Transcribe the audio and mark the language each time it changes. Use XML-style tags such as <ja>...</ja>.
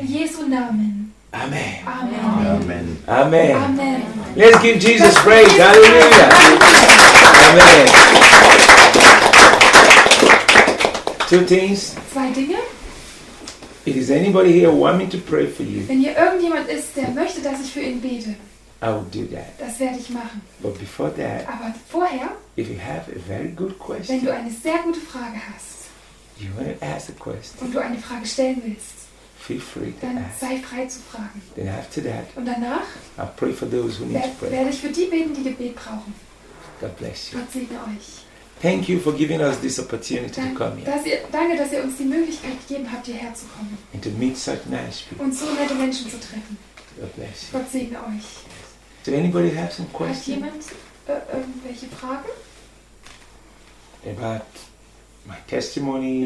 <de>In Jesu Namen. Amen. Amen. Amen. Amen.</de> <en>Amen. Let's give Jesus praise. Hallelujah. Amen. Two things.</en> <de>Zwei Dinge.</de> <en>If there's anybody here who wants me to pray for you.</en> <de>Wenn hier irgendjemand ist, der möchte, dass ich für ihn bete.</de> <en>I will do that.</en> <de>Das werde ich machen.</de> <en>But before that.</en> <de>Aber vorher.</de> <en>If you have a very good question.</en> <de>Wenn du eine sehr gute Frage hast.</de> <en>You want to ask a question.</en> <de>Und du eine Frage stellen willst.</de> <en>Feel free to</en> <de>dann</de> <en>ask.</en> <de>Sei frei zu fragen.</de> <en>Then after that,</en> <de>und danach</de> <en>I'll pray for those who need prayer.</en> <de>Werde ich für die beten, die Gebet brauchen.</de> <en>God bless you.</en> <de>Gott segne euch.</de> <en>Thank you for giving us this opportunity to come here.</en> <de>Danke, dass ihr uns die Möglichkeit gegeben habt, hierher zu kommen.</de> <en>And to meet such nice people.</en> <de>Und so nette Menschen zu treffen.</de> <en>God bless you.</en> <de>Gott segne euch.</de> <en>Yes. Does anybody have some questions?</en> <de>Hat jemand irgendwelche Fragen?</de> <en>About my testimony.</en>